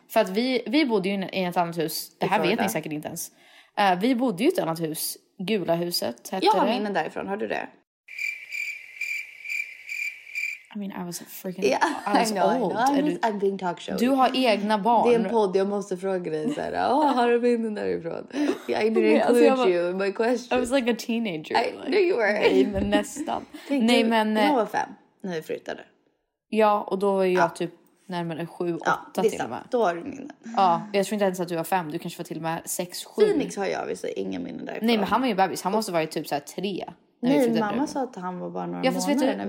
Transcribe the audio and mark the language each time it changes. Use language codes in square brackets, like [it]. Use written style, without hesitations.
[sv] För att vi bodde ju i ett annat hus. Det här vet ni säkert inte ens. Vi bodde ju i ett annat hus. Gula huset hette det. Jag har minnen därifrån, hörde du det? [en] I mean, I was a freaking... Yeah, I was old. I'm being talk show. [sv] Du har egna barn. Det är en podd, jag måste fråga dig såhär. Oh, har du minnen därifrån? [en] Yeah, I didn't include alltså, you in my question. I was like a teenager. I knew you were. [sv] Nej, men nästan. Nej, du, men... Jag var fem när vi flyttade. Ja, och då var jag typ närmare 7-8 till och med. Då har du minnen. Ja, jag tror inte ens att du var 5. Du kanske var till och med 6-7. Phoenix har jag, visst, inga minnen därifrån. Nej, men han var ju bebis. Han måste vara typ såhär 3. Nej, mamma sa att han var bara några månader när vi flyttade.